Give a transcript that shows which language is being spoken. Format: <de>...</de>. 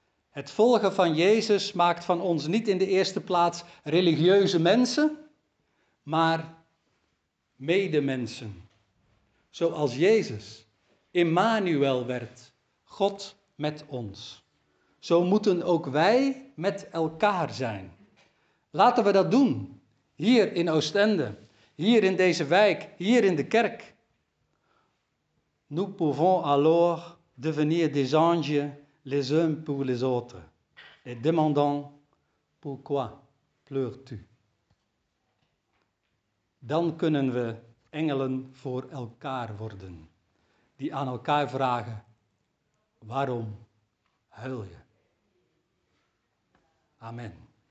<nl>Het volgen van Jezus maakt van ons niet in de eerste plaats religieuze mensen, maar medemensen, zoals Jezus, Immanuel werd, God met ons. Zo moeten ook wij met elkaar zijn. Laten we dat doen, hier in Oostende, hier in deze wijk, hier in de kerk.</nl> <fr>Nous pouvons alors devenir des anges les uns pour les autres. Et demandons, pourquoi pleures-tu?</fr> <nl>Dan kunnen we engelen voor elkaar worden, die aan elkaar vragen, waarom huil je? Amen.</nl>